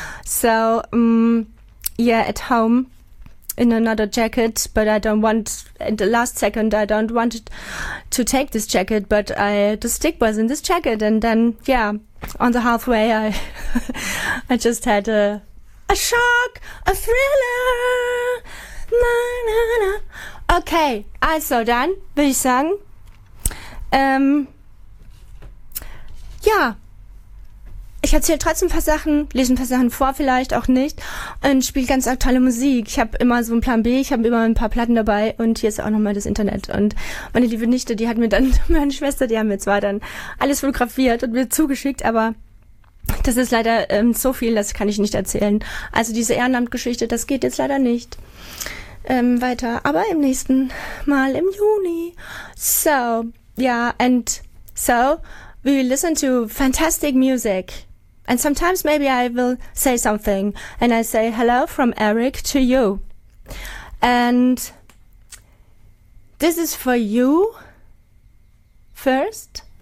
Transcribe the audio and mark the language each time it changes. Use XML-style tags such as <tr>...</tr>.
<en>So yeah, at home in another jacket, but I don't want, in the last second I don't want to take this jacket, but the stick was in this jacket, and then yeah, on the halfway I I just had a shock, a thriller. Na, na, na.</en> <de>Okay, also dann würde ich sagen, ja, ich erzähle trotzdem ein paar Sachen, lese ein paar Sachen vor, vielleicht auch nicht, und spiele ganz aktuelle Musik. Ich habe immer so einen Plan B, ich habe immer ein paar Platten dabei, und hier ist auch nochmal das Internet. Und meine liebe Nichte, die hat mir dann, meine Schwester, die haben mir zwar dann alles fotografiert und mir zugeschickt, aber das ist leider so viel, das kann ich nicht erzählen. Also diese Ehrenamtgeschichte, das geht jetzt leider nicht weiter, aber im nächsten Mal im Juni.</de> <en>So, ja, yeah, and so... We will listen to fantastic music. And sometimes maybe I will say something. And I say hello from Eric to you. And this is for you first.</en>